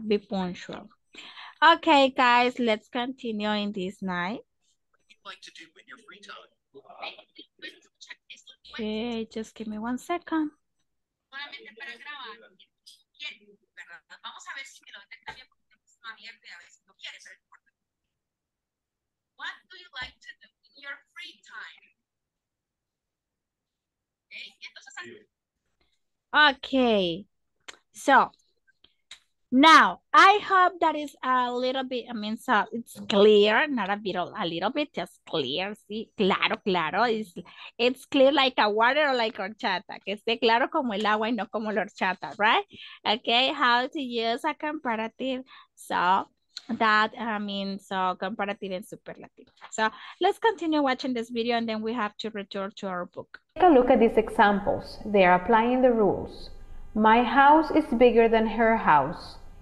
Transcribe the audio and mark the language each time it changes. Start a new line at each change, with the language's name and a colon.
English: Be punctual. Okay, guys, let's continue in this night. Okay, just give me one second.
Spanish: Solamente para grabar. ¿Quién? ¿Verdad? Vamos a ver si me lo detecta bien, porque es una abierta, a ver si no quiere ser importante.
English: What do you like to do in your free time? Okay. So now I hope that is a little bit, I mean, so it's clear, not a bit, a little bit, just clear.
Spanish: Sí, claro, claro.
English: It's clear like a water or like horchata.
Spanish: Que esté claro como el agua y no como la horchata, right?
English: Okay, how to use a comparative. So that, I mean, so comparative and superlative. So let's continue watching this video and then we have to return to our book. Take a look at these examples. They are applying the rules. My house is bigger than her house.